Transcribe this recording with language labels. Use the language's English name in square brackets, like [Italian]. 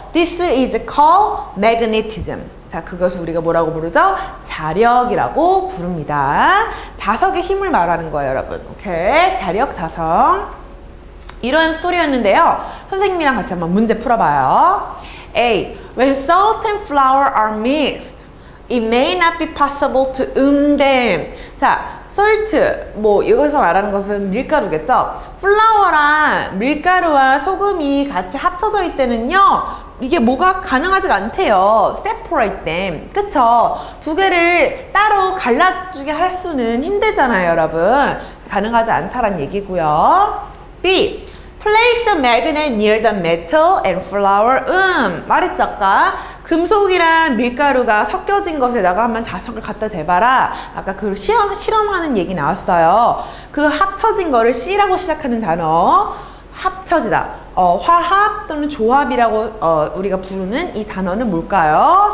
[English] This is called magnetism. [Korean] 자, 그것을 우리가 뭐라고 부르죠? 자력이라고 부릅니다. 자석의 힘을 말하는 거예요, 여러분. 오케이. 자력, 자성. 이런 스토리였는데요. 선생님이랑 같이 한번 문제 풀어봐요. [English] A. When salt and flour are mixed, it may not be possible to them. [Korean] 자, salt, 뭐 여기서 말하는 것은 밀가루겠죠? Flour랑 밀가루와 소금이 같이 합쳐져 있대는요, 이게 뭐가 가능하지가 않대요. [English] Separate them. [Korean] 그쵸? 두 개를 따로 갈라주게 할 수는 힘들잖아요, 여러분. 가능하지 않다란 얘기고요. [English] B. Place a magnet near the metal and flour. [Korean] 말했죠, 아까? 금속이랑 밀가루가 섞여진 것에다가 한번 자석을 갖다 대봐라. 아까 그 실험하는 얘기 나왔어요. 그 합쳐진 거를 C라고 시작하는 단어. 합쳐지다. 화합 또는 조합이라고 우리가 부르는 이 단어는 뭘까요?